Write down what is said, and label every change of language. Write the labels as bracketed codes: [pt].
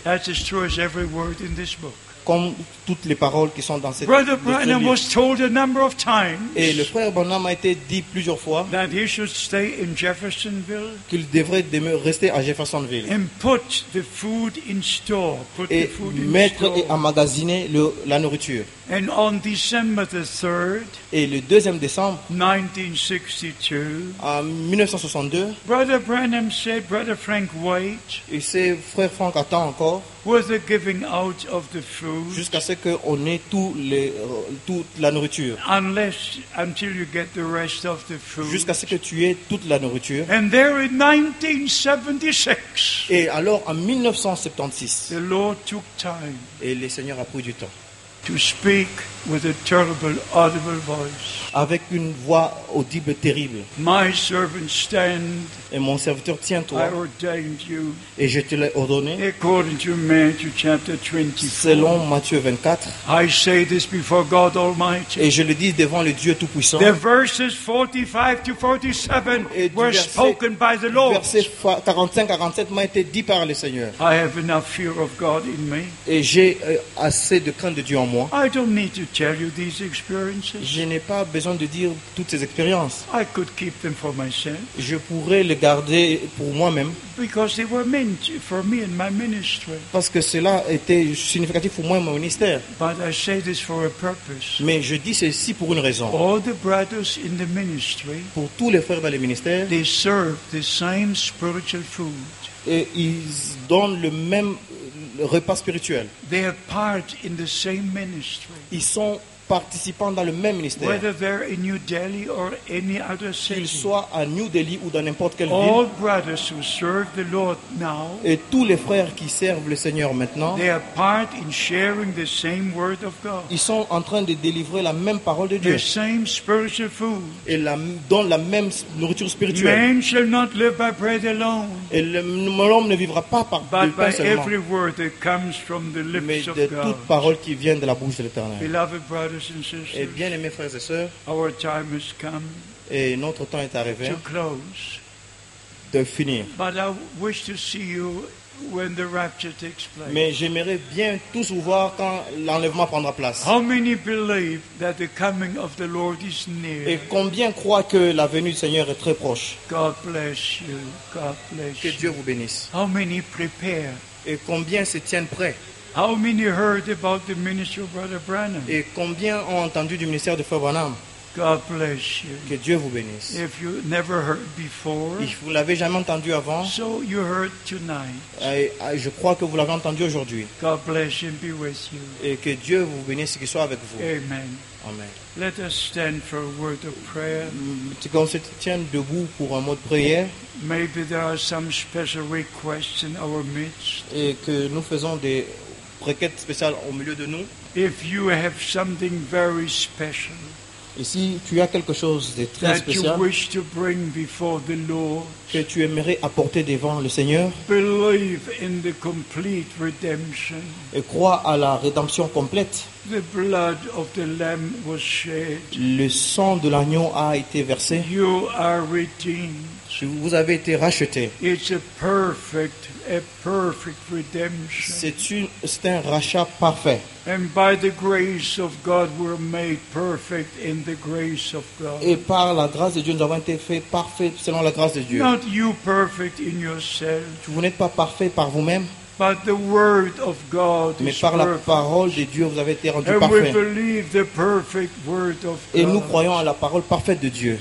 [en] That's as true as every word in this book. [fr] Comme toutes les paroles qui sont dans cette [en] Brother Branham was told a number of times. [fr] Et le frère Branham a été dit plusieurs fois. [en] That he should stay in Jeffersonville. [fr] Qu'il devrait rester à Jeffersonville. [en] And put the food in store. Put [fr] et [en] the food [fr] mettre [en] in store. [fr] Et emmagasiner la nourriture. [en] And on December the 3rd. [fr] Et le 2e décembre. [en] 1962. [fr] En 1962. [en] Brother Branham said, Brother Frank White. [fr] Et c'est frère Frank attend encore. [en] Was the giving out of the food. [fr] Jusqu'à ce qu'on ait toute la nourriture. [en] Unless, until you get the rest of the food. [fr] Jusqu'à ce que tu aies toute la nourriture. [en] And there in 1976. [fr] Et alors en 1976. [en] The Lord took time. [fr] Et le Seigneur a pris du temps. [en] To speak with a terrible, audible voice. [fr] Avec une voix audible, terrible. [en] My servant stand. [fr] Et mon serviteur tient-toi. [en] I ordained you. [fr] Et je te l'ai ordonné. [en] According to Matthew chapter 24. [fr] Selon Matthieu 24. [en] I say this before God Almighty. [fr] Et je le dis devant le Dieu Tout-Puissant. [en] The verses 45 to 47 [fr] et [en] were [fr] verset, [en] spoken by the Lord. [fr] Versets 45-47 m'ont été dit par le Seigneur. [en] I have enough fear of God in me. [fr] Et j'ai assez de crainte de Dieu en moi. [en] I don't need to tell you these experiences. [fr] Je n'ai pas besoin de dire toutes ces expériences. [en] I could keep them for myself. [fr] Je pourrais les garder pour moi-même. [en] Because they were meant for me and my ministry. [fr] Parce que cela était significatif pour moi et mon ministère. [en] But I say this for a purpose. [fr] Mais je dis ceci pour une raison. [en] All the brothers in the ministry, [fr] pour tous les frères dans le ministère, [en] they serve the same spiritual food. [fr] Et ils donnent le même repas spirituel. [en] They are part in the same ministry. [fr] Ils sont participant dans le même ministère. [en] Whether they're in New Delhi or any other city. [fr] Qu'ils soient à New Delhi ou dans n'importe quelle [en] All [fr] ville. [en] All brothers who serve the Lord now. [fr] Et tous les frères qui servent le Seigneur maintenant. [en] They are part in sharing the same word of God. [fr] Ils sont en train de délivrer la même parole de Dieu. [en] The same spiritual food. [fr] Et dans la même nourriture spirituelle. [en] Man shall not live by bread alone. [fr] Et l'homme ne vivra pas par [en] But [fr] le pain [en] by [fr] seulement. [en] Every word that comes from the lips [fr] mais [en] of [fr] de [en] God. [fr] Toute parole qui vient de la bouche de l'Éternel. [en] Beloved brothers. [fr] Et bien aimés frères et sœurs, [en] Our time has come [fr] et notre temps est arrivé [en] to close. [fr] De finir. [en] But I wish to see you when the rapture takes place. [fr] Mais j'aimerais bien tous vous voir quand l'enlèvement prendra place. [en] How many believe that the coming of the Lord is near? [fr] Et combien croient que la venue du Seigneur est très proche? [en] God bless you. God bless [fr] que Dieu vous bénisse. [en] How many prepare? [fr] Et combien se tiennent prêts? [en] How many heard about the ministry of Brother Branham? [fr] Et combien ont entendu du ministère de Frère Branham? [en] God bless you. [fr] Que Dieu vous bénisse. [en] If you never heard before, [fr] et vous l'avez jamais entendu avant. [en] So you heard tonight. [fr] Je crois que vous l'avez entendu aujourd'hui. [en] God bless you and be with you. [fr] Et que Dieu vous bénisse et qu'il soit avec vous. [en] Amen. [fr] Amen. [en] Let us stand for a word of prayer. [fr] Qu'on se tienne debout pour un mot de prière. [en] Maybe there are some special requests in our midst. [fr] Et que nous faisons des requête spéciale au milieu de nous. [en] If you have something very special, [fr] et si tu as quelque chose de très spécial [en] you wish to bring before the Lord, [fr] que tu aimerais apporter devant le Seigneur, [en] believe in the complete redemption, [fr] et crois à la rédemption complète. [en] The blood of the lamb was shed. [fr] Le sang de l'agneau a été versé. [en] You are redeemed. [fr] Vous avez été racheté. [en] It's a perfect redemption. [fr] C'est un rachat parfait. [en] And by the grace of God, we're made perfect in the grace of God. [fr] Et par la grâce de Dieu, nous avons été faits parfaits selon la grâce de Dieu. [en] Not you perfect in yourself. [fr] Vous n'êtes pas parfait par vous-même. [en] But the word of God [fr] mais par [en] is [fr] la [en] perfect. [fr] Parole de Dieu, vous avez été rendu [en] and [fr] parfait. [en] We believe the perfect word of God. [fr] Et nous croyons à la parole parfaite de Dieu.